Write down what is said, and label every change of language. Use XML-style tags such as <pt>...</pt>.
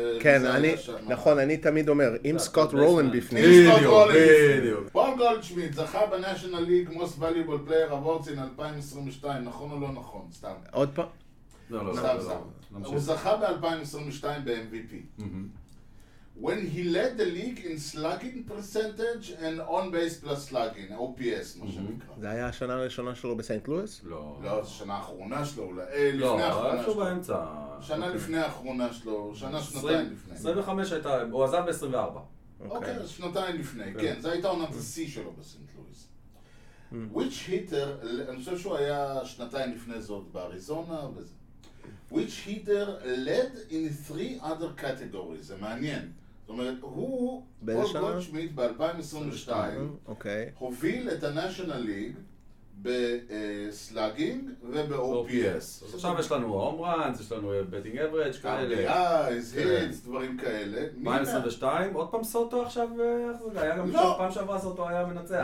<he>כן, אני, נכון, אני תמיד אומר, עם סקוט רולן בפנים. בדיוק, בדיוק.</he> <en>פול גולדשמיט</en> <he>זכה</he> <en>בנשיונל ליג מוסט ווליובל פלייר אבורדס אין 2022,</en> <he>נכון או לא נכון? סתם. עוד פעם? לא, לא, לא. הוא זכה ב-2022 ב-MVP.</he> <en>when he led the league in slugging percentage and on base plus slugging, OPS,</en> <he>מה שנקרא. זה היה השנה הראשונה שלו בסיינט לואיס? לא. לא, זו שנה האחרונה שלו, אולי, לפני האחרונה שלו. לא, איזשהו באמצע. שנה לפני האחרונה שלו, שנה שנתיים לפני. 25 הייתה, הוא עזב ב-24. אוקיי, שנתיים לפני, כן, זה הייתה עונת השיא שלו בסיינט לואיס.</he> <en>Which hitter,</en> <he>אני חושב שהוא היה שנתיים לפני זאת באריזונה וזה.</he> <en>Which hitter led in three other categories,</en> <he>זה מעניין. זאת אומרת, הוא, פול גולדשמיט ב-2022, הוביל את הנשיונל ליג בסלאגינג וב-OPS. אז עכשיו יש לנו הום ראנס, יש לנו בטינג אברג' כאלה.</he> <en>RBIs, hits,</en> <he>דברים כאלה. 2022, עוד פעם סוטו עכשיו, איך זה היה גם משהו, פעם שעברה סוטו היה מנצח.</he>